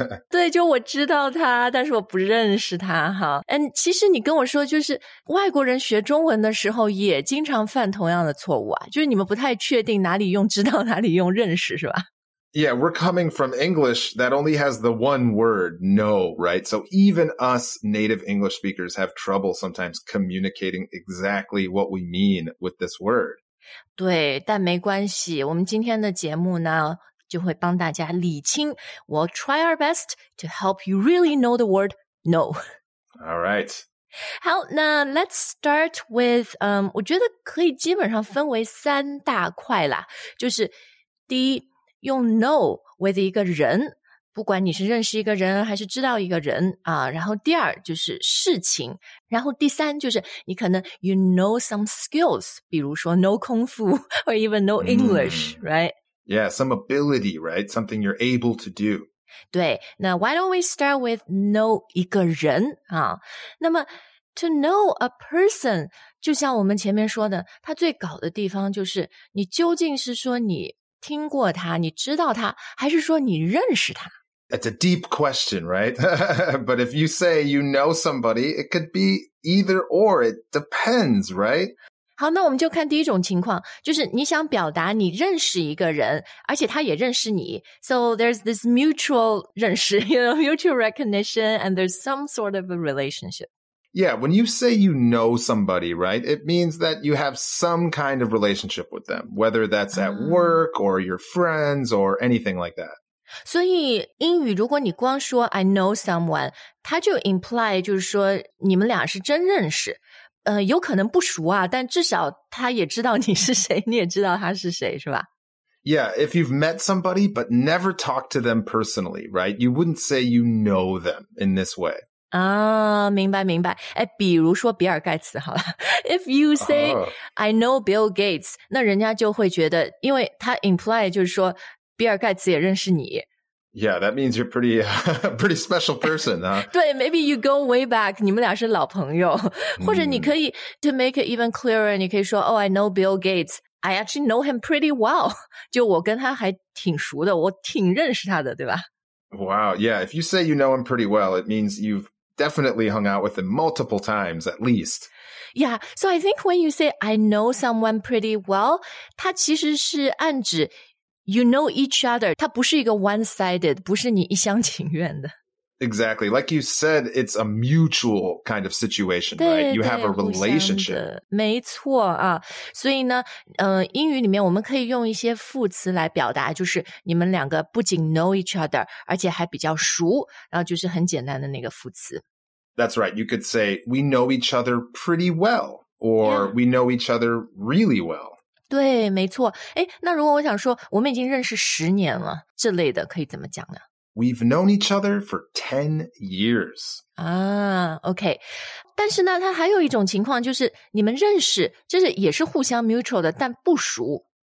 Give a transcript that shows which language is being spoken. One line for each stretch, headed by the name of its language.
Chinese: 对，就我知道他，但是我不认识他哈。 And 其实你跟我说，就是外国人学中文的时候也经常犯同样的错误啊，就是你们不太确定哪里用知道，哪里用认识，是吧？
English: Yeah, we're coming from English that only has the one word, know, right? So even us native English speakers have trouble sometimes communicating exactly what we mean with this word.
Chinese: 对，但没关系，我们今天的节目呢，就会帮大家理清。
English: We'll try our best to help you really know the word know. All right.
Chinese: 好，那
English: let's start with,
Chinese: 我觉得可以基本上分为三大块啦。就是第一，用 know with 一个人，不管你是认识一个人还是知道一个人啊，然后第二就是事情，然后第三就是你可能
English: you know some skills,
Chinese: 比如说 know 功夫
English: or even know English,、
Chinese: mm. right?
English: Yeah, some ability, right? Something you're able to do.
Chinese: 对，那
English: why don't we start with know
Chinese: 一个人啊？那么
English: to know a person,
Chinese: 就像我们前面说的，它最搞的地方就是你究竟是说你听过他，你知道他，还是说你认识他？
English: That's a deep question, right? But if you say you know somebody, it could be either or. It depends, right?
Chinese: 好，那我们就看第一种情况，就是你想表达你认识一个人，而且他也认识你。
English: So there's this mutual 认识, you know, mutual recognition, and there's some sort of a relationship. Yeah, when you say you know somebody, right? It means that you have some kind of relationship with them, whether that's at work or your friends or anything like that.
Chinese: 所以英语如果你光说
English: I know someone,
Chinese: 它就 imply 就是说你们俩是真认识。有可能不熟啊，但至少他也知道你是谁，你也知道他是谁，是吧？
English: Yeah, if you've met somebody but never talked to them personally, right? You wouldn't say you know them in this way.
Chinese: 啊，明白明白。哎，比如说比尔盖茨好了。
English: If you say、I know Bill Gates,
Chinese: 那人家就会觉得因为他 imply 就是说比尔盖茨也认识你。
English: Yeah, that means you're pretty, pretty special person, huh?
Chinese: 对 ,
English: maybe you go way back,
Chinese: 你们俩是老朋友。或者你可以
English: to make it even clearer,
Chinese: 你可以说 ,
English: oh, I know Bill Gates, I actually know him pretty well.
Chinese: 就我跟他还挺熟的，我挺认识他的，对吧？
English: Wow, yeah, if you say you know him pretty well, it means you've definitely hung out with him multiple times, at least. Yeah, so I think when you say I know someone pretty well,
Chinese: 它其实是暗指
English: You know each other,
Chinese: 它不是一个 one-sided, 不是你一厢情愿的。
English: Exactly. Like you said, it's a mutual kind of situation, right? You have a relationship.
Chinese: 没错啊。所以呢英语里面我们可以用一些副词来表达就是你们两个不仅
English: know each other,
Chinese: 而且还比较熟然后就是很简单的那个副词。
English: That's right. You could say, we know each other pretty well, or、yeah. we know each other really well.
Chinese: 对没错诶那如果我想说我们已经认识十年了这类的可以怎么讲呢
English: We've known each other for 10 years.
Chinese: 啊 ,OK。但是呢它还有一种情况就是你们认识就是也是互相 mutual 的但不熟。